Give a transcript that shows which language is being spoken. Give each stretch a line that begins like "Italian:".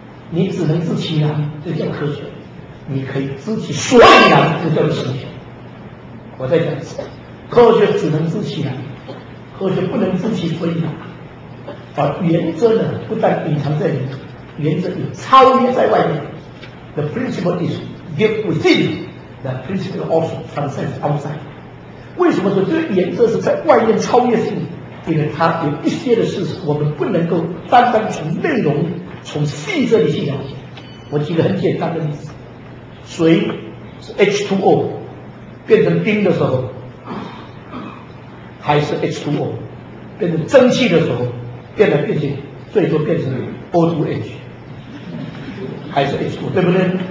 Chinese: 你只能知其然，这叫科学；你可以知其所以然，这叫神学。我在讲，科学只能知其然，科学不能知其所以然。而原则呢，不但隐藏在里面，原则有超越在外面。
English: The principle is within, the principle also transcends outside。
Chinese: 为什么说这个原则是在外面超越性？因为它有一些的事实，我们不能够单单从内容。从细这里去了解，我举个很简单的例子，水是 H2O 变成冰的时候还是 H2O, 变成蒸汽的时候变来变去最多变成 O2H 还是 H2O, 对不对？